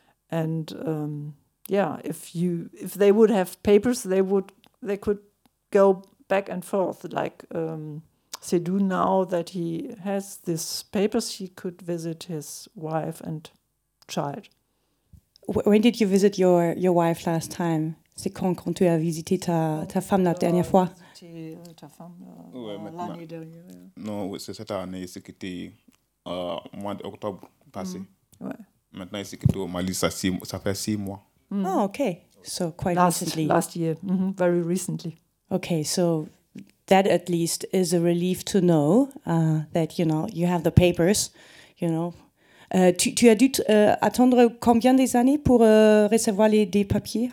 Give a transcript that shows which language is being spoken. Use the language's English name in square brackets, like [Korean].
[English] And if they would have papers, they could go back and forth, like Sedou, now that he has these papers, he could visit his wife and child. When did you visit your wife last time? [French] C'est quand tu as visité ta femme la dernière fois? L'année dernière. Non, c'est cette année, c'était au mois d'octobre passé. Ouais. Maintenant, c'est au Mali, ça fait 6 mois. [English] Mm. Oh, okay. So quite recently. Last year, mm-hmm. Very recently. Okay, so that at least is a relief to know that, you know, you have the papers, you know. [French] Tu as dû attendre combien des années pour recevoir des papiers?